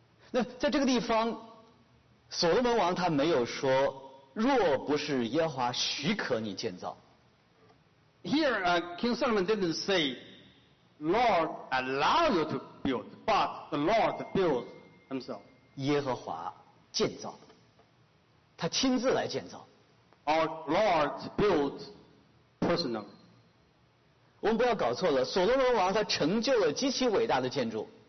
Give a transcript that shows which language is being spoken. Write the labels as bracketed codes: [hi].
[zh] 那在这个地方，所罗门王他没有说，若不是耶和华许可你建造。 [en] Here, King Solomon didn't say, "Lord allow you to build," but the Lord builds himself. [zh] 耶和华建造。他亲自来建造。 [en] Our Lord built personal. [zh] 我们不要搞错了，所罗门王他成就了极其伟大的建筑。